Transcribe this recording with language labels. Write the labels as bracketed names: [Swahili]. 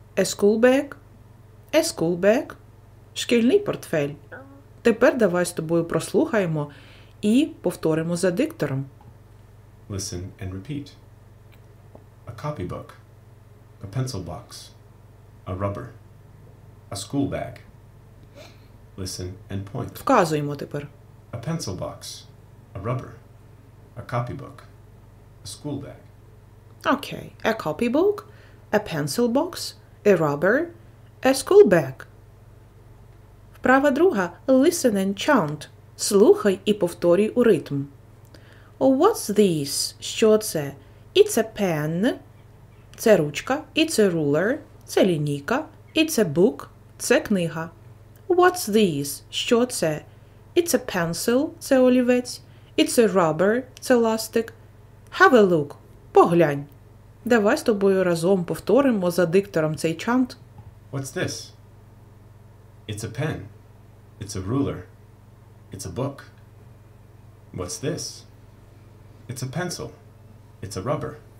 [English] A school bag, [Ukrainian] шкільний портфель. Тепер давай з тобою прослухаємо і повторимо за диктором. [English] Listen and repeat. A copy book. A pencil box, a rubber, a school bag. Listen and point. [Ukrainian] Вказуємо тепер. [English] A pencil box, a rubber, a copy book, a school bag. Okay, a copy book, a pencil box, a rubber, a school bag. [Ukrainian] Вправа друга. [English] Listen and chant. [Ukrainian] Слухай і повторюй у ритм. [English] What's this? [Ukrainian] Що це? [English] It's a pen. [Ukrainian] Це ручка, [English] it's a ruler, [Ukrainian] це лінійка, [English] it's a book, [Ukrainian] це книга. [English] What's this? [Ukrainian] Що це? [English] It's a pencil, [Ukrainian] це олівець, [English] it's a rubber, [Ukrainian] це ластик. [English] Have a look, [Ukrainian] поглянь. Давай з тобою разом повторимо за диктором цей чант. [English] What's this? It's a pen, it's a ruler, it's a book. What's this? It's a pencil, it's a rubber.